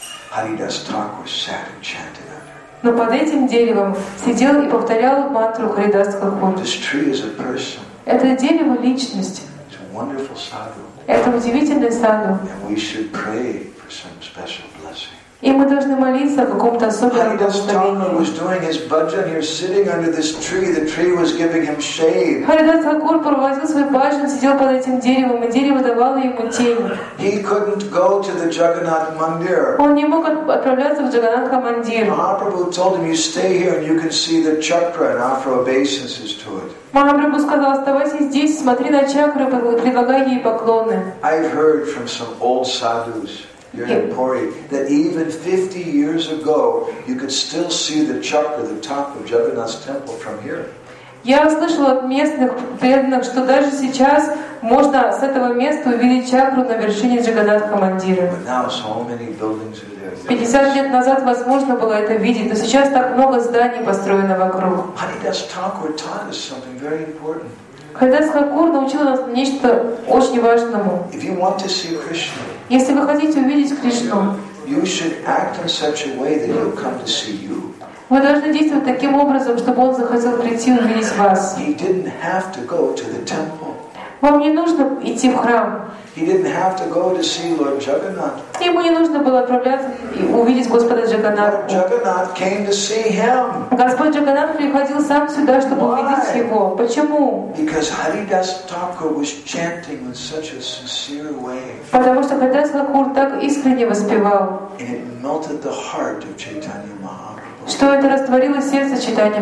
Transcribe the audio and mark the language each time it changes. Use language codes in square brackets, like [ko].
[en] Haridas Thakur sat and chanted under. [ru] Но под этим деревом сидел и повторял мантру Харидас Такур. [en] This tree is a person. [ru] Это дерево личности. [en] It's a wonderful sadhu. [ru] Это удивительный sadhu. [en] And we should pray for some special blessing. [ru] И мы должны молиться о каком-то особенном благословении. [en] Харидас was doing his bhajan here, sitting under this tree. The tree was giving him shade. [ru] Харидас Такур проводил свой бхаджан, сидел под этим деревом, и дерево давало ему тень. [en] He couldn't go to the Jagannath Mandir. [ru] Он не мог отправляться в Джаганнатха Мандир. [en] Mahaprabhu told him, "You stay here, and you can see the chakra and offer obeisances to it." [ru] Махапрабху сказал, оставайся здесь, смотри на чакру, предлагай ей поклоны. [en] I've heard from some old sadhus. Here in Puri, that even 50 years ago, you could still see the chakra, the top of Jagannath's temple from here. [ru] Я слышал от местных преданных, что даже сейчас можно с этого места увидеть чакру на вершине Джаганнатха Мандира. [en] But now so many buildings are there. [ru] 50 лет назад возможно было это видеть, но сейчас так много зданий построено вокруг. [en] Haridas Thakur taught us something very important. [ru] Haridas Thakur научил нас нечто очень важному. [en] If you want to see Krishna. [ru] Если вы хотите увидеть Кришну, [en] you should act in such a way that he'll come to see you. [ru] Вы должны действовать таким образом, чтобы он захотел прийти увидеть вас. [en] He didn't have to go to the temple. [ru] Вам не нужно идти в храм. [en] He didn't have to go to see Lord Jagannath. [ru] Ему не нужно было отправляться и увидеть Господа Джаганнатху. [en] Lord Jagannath came to see him. [ru] Господь Джаганнат приходил сам сюда, чтобы [en] Why? [ru] Увидеть его. Почему? [en] Because Haridas Thakur was chanting in such a sincere way. [ru] Потому что Haridas Thakur так искренне воспевал. [en] And it melted the heart of Chaitanya Mahaprabhu. [ru] Что это растворило сердце Чайтанья